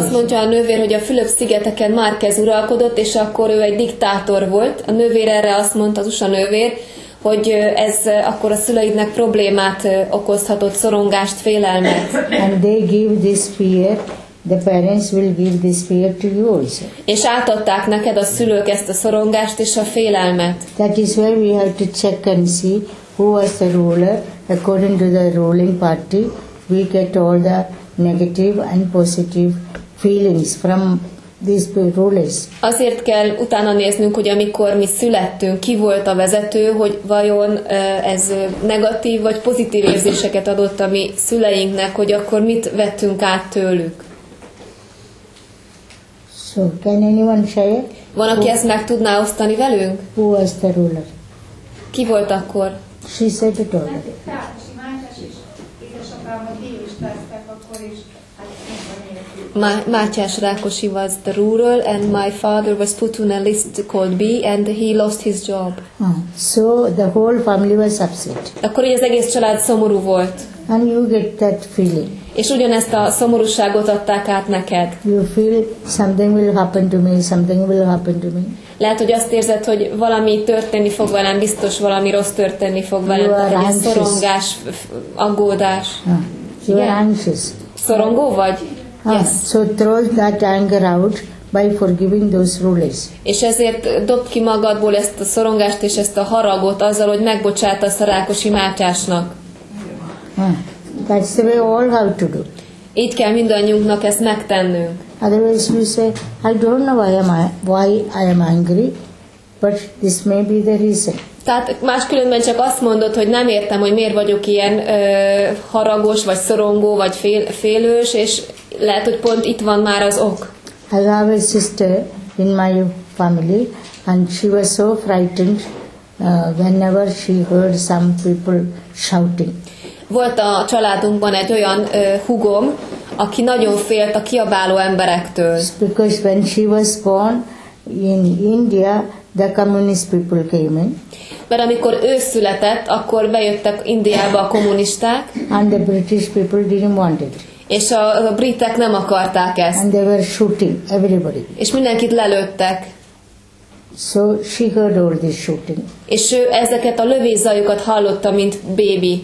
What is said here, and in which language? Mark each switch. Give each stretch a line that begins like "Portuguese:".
Hungarian: Azt mondja a nővér, hogy a Fülöp-szigeteken Márquez uralkodott, és akkor ő egy diktátor volt. A nővér erre azt mondta, az USA nővér, hogy ez akkor a szüleidnek problémát okozhatott, szorongást, félelmet.
English: And they give this fear. The parents will give this fear to you also.
Hungarian: És átadták neked a szülők ezt a szorongást és a félelmet.
English: That is where we have to check and see who was the ruler. According to the ruling party, we get all the negative and positive feelings from these rulers.
Hungarian: Azért kell utána néznünk, hogy amikor mi születtünk, ki volt a vezető, hogy vajon ez negatív vagy pozitív érzéseket adott a mi szüleinknek, hogy akkor mit vettünk át tőlük.
English: So, can anyone share?
Hungarian: Van, aki ezt meg tudná osztani velünk?
English: Who was the ruler?
Hungarian: Ki volt akkor?
English: She said it all. Mátyás Rákosi was the ruler, and my father was put on a list called B, and he lost his job. So, the whole family was upset.
Hungarian: Akkor így az egész család szomorú volt.
English: And you get that feeling.
Hungarian: És ugyanezt a szomorúságot adták át neked.
English: You feel something will happen to me, something will happen to me.
Hungarian: Lehet, hogy azt érzed, hogy valami történni fog velem, biztos valami rossz történni fog velem.
English: You are anxious.
Hungarian: Szorongás, aggódás.
English: You are anxious.
Hungarian: Szorongó vagy?
English: Yes. So throw that anger out by forgiving those rulers.
Hungarian: És ezért dobd ki magadból ezt a szorongást és ezt a haragot azzal, hogy megbocsátasz a Rákosi Mátyásnak.
English: That's the way all have to do.
Hungarian: Így kell mindannyiunknak ezt megtennünk.
English: Otherwise you say, I don't know why I am angry, but this may be the reason.
Hungarian: Tehát máskülönben csak azt mondod, hogy nem értem, hogy miért vagyok ilyen haragos, vagy szorongó, vagy félős, és lehet, hogy pont itt van már az ok.
English: I have a sister in my family, and she was so frightened whenever she heard some people shouting.
Hungarian: Volt a családunkban egy olyan húgom, aki nagyon félt a kiabáló emberektől.
English: Because when she was born in India, the communist people came in.
Hungarian: Mert amikor ő született, akkor bejöttek Indiába a kommunisták.
English: And the British people didn't want it.
Hungarian: És a britek nem akarták ezt.
English: And they were shooting everybody.
Hungarian: És mindenkit lelőttek.
English: So she heard all this shooting.
Hungarian: És ő ezeket a lövészajokat hallotta, mint baby.